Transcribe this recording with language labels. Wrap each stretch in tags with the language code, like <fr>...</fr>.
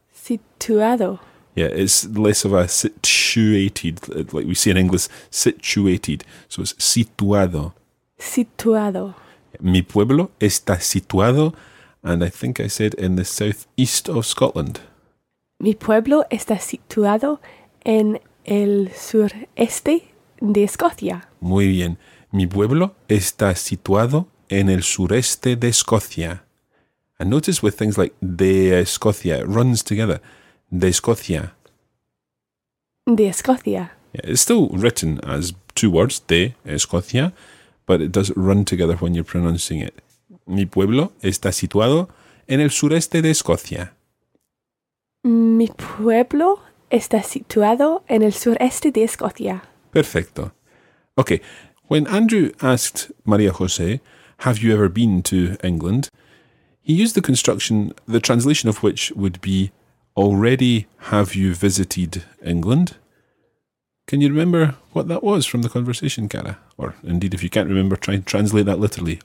<es>Situado.</es> <en>Yeah, it's less of a situated, like we say in English, situated. So it's situado.</en> <es>Situado. Mi pueblo está situado,</es> <en>and I think I said in the southeast of Scotland.</en> <es>Mi pueblo está situado en el sureste de Escocia. Muy bien. Mi pueblo está situado en el sureste de Escocia.</es> <en>And notice with things like</en> <es>de Escocia,</es> <en>it runs together.</en> <es>De Escocia. De Escocia.</es> <en>Yeah, it's still written as two words,</en> <es>de Escocia,</es> <en>but it does run together when you're pronouncing it.</en> <es>Mi pueblo está situado en el sureste de Escocia. Mi pueblo está situado en el sureste de Escocia. Perfecto.</es> <en>Okay, when Andrew asked María José, have you ever been to England? He used the construction, the translation of which would be, already have you visited England? Can you remember what that was from the conversation, Cara? Or indeed, if you can't remember, try and translate that literally.</en>